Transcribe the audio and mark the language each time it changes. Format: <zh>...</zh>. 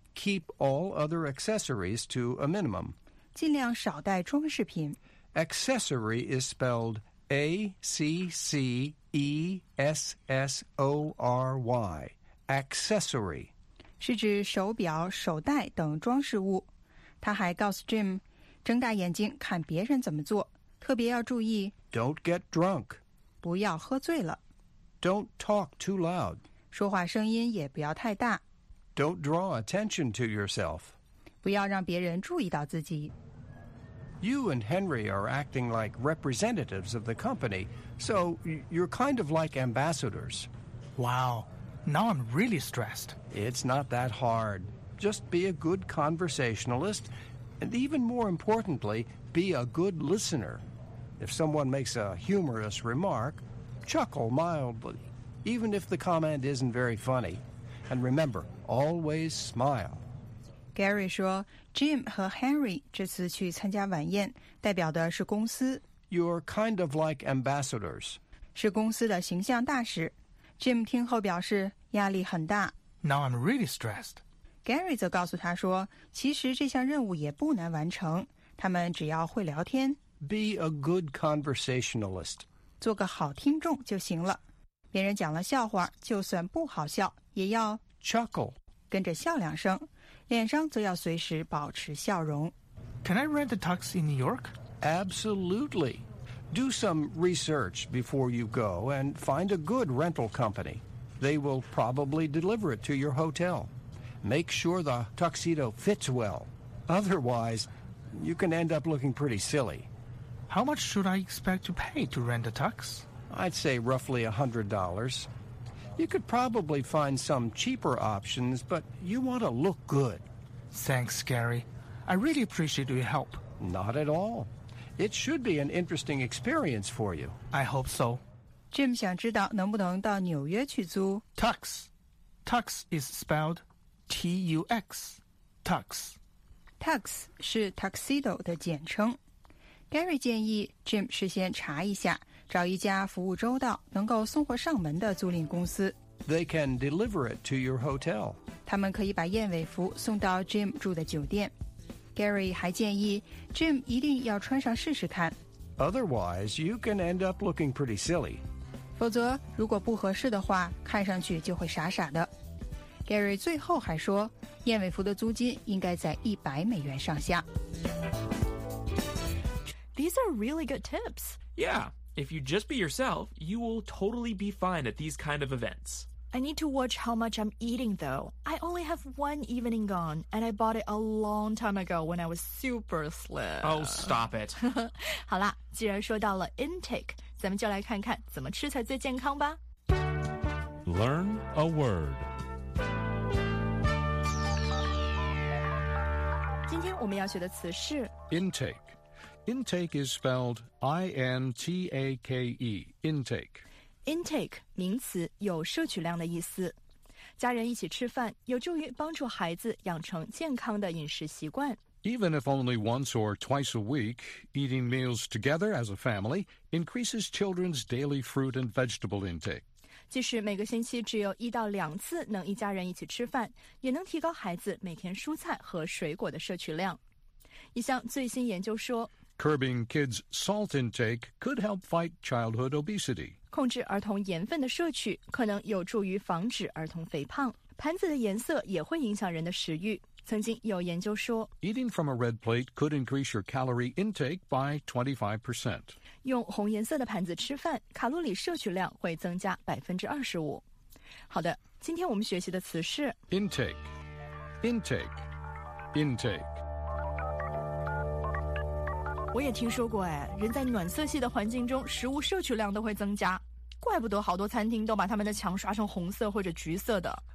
<en>keep all other accessories to a minimum.</en> <zh>尽量少带装饰品。</zh> <en>Accessory is spelled A-C-C-E-S-S-O-R-Y, accessory.</en> <zh>是指手表、手袋等装饰物。他还告诉 Jim, 睁大眼睛看别人怎么做。特别要注意</zh> <en>Don't get drunk.</en> <zh>不要喝醉了。</zh> <en>Don't talk too loud.</en> <zh>说话声音也不要太大。</zh> <en>Don't draw attention to yourself.</en> <zh>不要让别人注意到自己。</zh> <en>You and Henry are acting like representatives of the company, so you're kind of like ambassadors. Wow, now I'm really stressed. It's not that hard. Just be a good conversationalist, and even more importantly, be a good listener. If someone makes a humorous remark, chuckle mildly, even if the comment isn't very funny. And remember, always smile.</en> <zh>Gary 说 ,Jim 和 Henry 这次去参加晚宴代表的是公司。</zh> <en>You're kind of like ambassadors.</en> <zh>是公司的形象大使。 Jim 听后表示压力很大。</zh> <en>Now I'm really stressed.</en> <zh>Gary 则告诉他说其实这项任务也不难完成他们只要会聊天。</zh> <en>Be a good conversationalist.</en> <zh>做个好听众就行了。别人讲了笑话就算不好笑也要</zh> <en>chuckle.</en> <zh>跟着笑两声。脸上则要随时保持笑容。</zh> <en>Can I rent a tux in New York? Absolutely. Do some research before you go and find a good rental company. They will probably deliver it to your hotel. Make sure the tuxedo fits well. Otherwise, you can end up looking pretty silly. How much should I expect to pay to rent a tux? I'd say roughly $100. You could probably find some cheaper options, but you want to look good. Thanks, Gary. I really appreciate your help. Not at all. It should be an interesting experience for you. I hope so.</en> <zh>Jim 想知道能不能到纽约去租</zh> <en>Tux. Tux is spelled T-U-X. Tux.</en> <zh>Tux 是 tuxedo 的简称。 Gary 建议 Jim 事先查一下找一家服务周到能够送货上门的租赁公司</zh> <en>They can deliver it to your hotel</en> <zh>他们可以把燕尾服送到 Jim 住的酒店 Gary 还建议 Jim 一定要穿上试试看</zh> <en>Otherwise you can end up looking pretty silly</en> <zh>否则如果不合适的话看上去就会傻傻的 Gary 最后还说燕尾服的租金应该在100美元上下</zh> <en>These are really good tips Yeah If you just be yourself, you will totally be fine at these kind of events. I need to watch how much I'm eating, though. I only have one evening gone, and I bought it a long time ago when I was super slim. Oh, stop it.</en> <zh>好啦，既然说到了 intake, 咱们就来看看怎么吃才最健康吧。</zh> <en>Learn a word.</en> <zh>今天我们要学的词是</zh> <en>intake. Intake is spelled I-N-T-A-K-E, intake.</en> <zh>Intake, 名词有摄取量的意思。家人一起吃饭有助于帮助孩子养成健康的饮食习惯。</zh> <en>Even if only once or twice a week, eating meals together as a family increases children's daily fruit and vegetable intake.</en> <zh>即使每个星期只有一到两次能一家人一起吃饭也能提高孩子每天蔬菜和水果的摄取量。一项最新研究说</zh> <en>Curbing kids' salt intake could help fight childhood obesity.</en> <zh>控制儿童盐分的摄取可能有助于防止儿童肥胖。盘子的颜色也会影响人的食欲。曾经有研究说</zh> <en>Eating from a red plate could increase your calorie intake by 25%.</en> <zh>用红颜色的盘子吃饭卡路里摄取量会增加 25%. 好的今天我们学习的词是</zh> <en>Intake Intake Intake</en> <zh>我也听说过哎，人在暖色系的环境中，食物摄取量都会增加，怪不得好多餐厅都把他们的墙刷成红色或者橘色的。</zh>